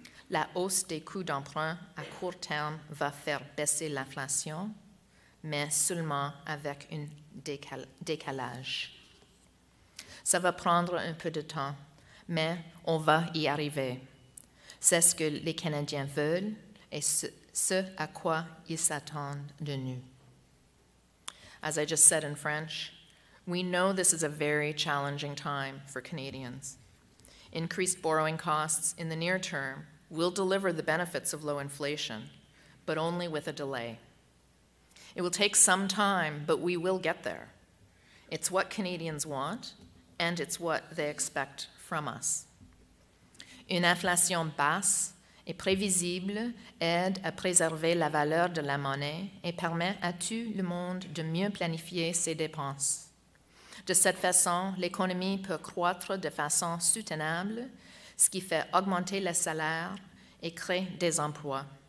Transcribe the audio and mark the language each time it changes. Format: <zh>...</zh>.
<fr>La hausse des coûts d'emprunt à court terme va faire baisser l'inflation, mais seulement avec un décalage. Ça va prendre un peu de temps, mais on va y arriver. C'est ce que les Canadiens veulent et ce à quoi ils s'attendent de nous.</fr> <en>As I just said in French, we know this is a very challenging time for Canadians. Increased borrowing costs in the near term will deliver the benefits of low inflation, but only with a delay. It will take some time, but we will get there. It's what Canadians want, and it's what they expect from us.</en> <fr>Une inflation basse et prévisible aide à préserver la valeur de la monnaie et permet à tout le monde de mieux planifier ses dépenses. De cette façon, l'économie peut croître de façon soutenable, ce qui fait augmenter les salaires et crée des emplois.</fr>